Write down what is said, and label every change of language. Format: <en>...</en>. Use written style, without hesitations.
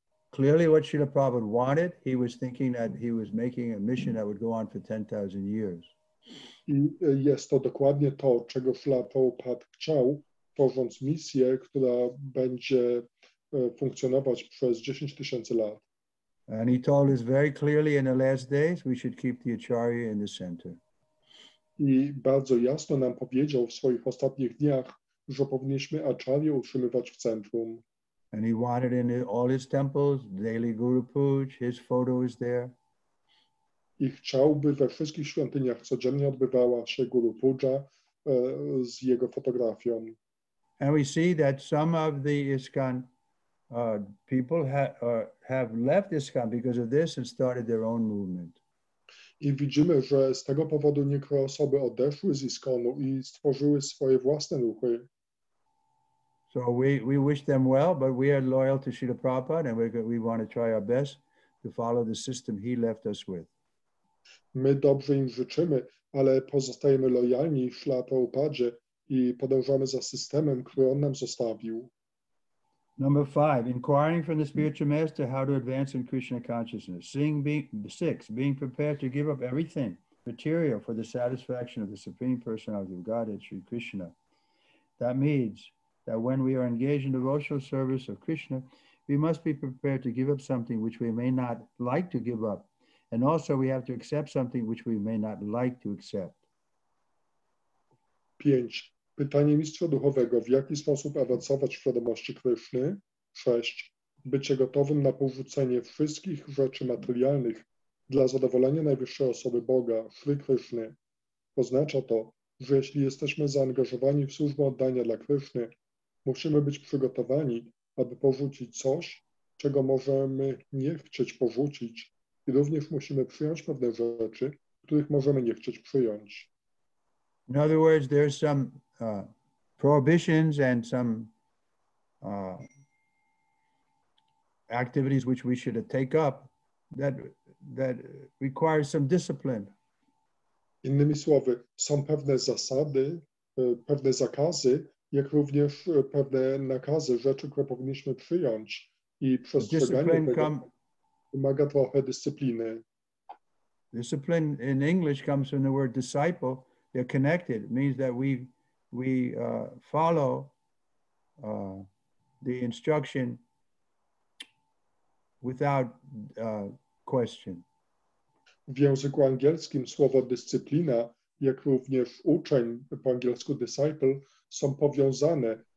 <en>Clearly what Śrīla Prabhupāda wanted, he was thinking that he was making a mission that would go on for 10,000 years.</en> <pl>I jest to dokładnie to, czego Śrīla Prabhupāda chciał, tworząc misję, która będzie funkcjonować przez 10 tysięcy lat.</pl> <en>And he told us very clearly in the last days we should keep the acharya in the center.</en> <pl>I bardzo jasno nam powiedział w swoich ostatnich dniach, że powinniśmy acharya utrzymywać w centrum.</pl> <en>And he wanted in all his temples, daily guru puj, his photo is there.</en> <pl>I chciałby we wszystkich świątyniach codziennie odbywała się guru puja z jego fotografią.</pl> <en>And we see that some of the ISKCON people have left ISKCON because of this and started their own movement.</en> <pl>I widzimy, że z tego powodu niektóre osoby odeszły z ISKCONu i stworzyły swoje własne ruchy.</pl> <en>So we wish them well, but we are loyal to Śrīla Prabhupāda and we want to try our best to follow the system he left us with.</en> <pl>My dobrze im życzymy, ale pozostajemy lojalni Śrīla Prabhupādzie i podążamy za systemem, który on nam zostawił.</pl> <en>Number 5, inquiring from the spiritual master how to advance in Krishna consciousness. Being prepared to give up everything material for the satisfaction of the Supreme Personality of Godhead, Sri Krishna. That means that when we are engaged in devotional service of Krishna, we must be prepared to give up something which we may not like to give up. And also we have to accept something which we may not like to accept.</en> <pl>5. Pytanie mistrza duchowego, w jaki sposób awansować w świadomości Kryszny? 6. bycie gotowym na porzucenie wszystkich rzeczy materialnych dla zadowolenia najwyższej osoby Boga, Shri Krishny. Oznacza to, że jeśli jesteśmy zaangażowani w służbę oddania dla Krishny, musimy być przygotowani, aby porzucić coś, czego możemy nie chcieć porzucić, i również musimy przyjąć pewne rzeczy, których możemy nie chcieć przyjąć.</pl> <en>In other words, there's some prohibitions and some activities which we should take up that requires some discipline.</en> <pl>Innymi słowy, są pewne zasady, pewne zakazy, jak również pewne nakazy, rzeczy, które powinniśmy przyjąć i przestrzeganie tego wymaga trochę dyscypliny.</pl> <en>Discipline in English comes from the word disciple. They're connected. It means that we follow the instruction without question.</en> <pl>W języku angielskim słowo dyscyplina, jak również uczeń, po angielsku disciple, są powiązane.</pl>